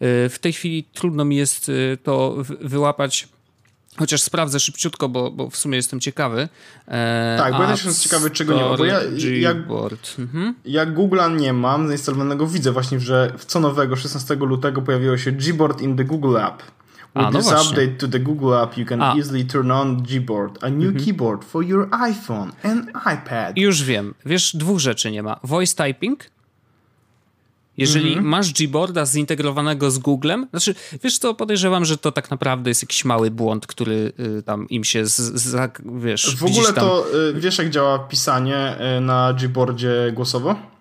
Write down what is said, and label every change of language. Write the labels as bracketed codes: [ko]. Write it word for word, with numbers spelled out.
[pl] W tej chwili trudno mi jest to wyłapać. Chociaż sprawdzę szybciutko, bo, bo w sumie jestem ciekawy. Eee, tak, bo ja też jestem ciekawy, czego nie ma. Bo ja, ja, mhm. ja Google'a nie mam zainstalowanego. Widzę właśnie, że w co nowego szesnastego lutego pojawiło się Gboard in the Google App. [en] With [pl] A, no [en] this [pl] właśnie. [en] update to the Google App you can A. easily turn on Gboard. A new mhm. keyboard for your iPhone and iPad. [pl] Już wiem. Wiesz, dwóch rzeczy nie ma. Voice typing. Jeżeli mm-hmm. masz Gboarda zintegrowanego z Googlem, znaczy, wiesz co, podejrzewam, że to tak naprawdę jest jakiś mały błąd, który y, tam im się, z, z, wiesz... W ogóle tam... to, y, wiesz jak działa pisanie y, na Gboardzie głosowo?